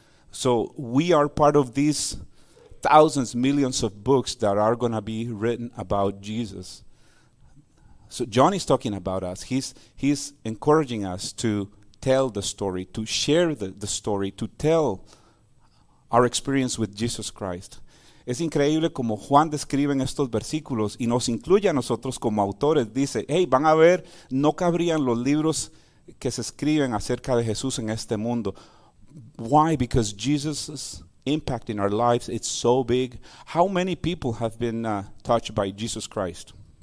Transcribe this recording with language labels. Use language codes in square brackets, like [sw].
[en] So we are part of these thousands, millions of books that are going to be written about Jesus. So John is talking about us. He's encouraging us to tell the story, to share the story, to tell our experience with Jesus Christ. [es] Es increíble como Juan describe en estos versículos y nos incluye a nosotros como autores. Dice, hey, van a ver, no cabrían los libros que se escriben acerca de Jesús en este mundo. [en] Why? Because Jesus' impact in our lives is so big. How many people have been touched by Jesus Christ?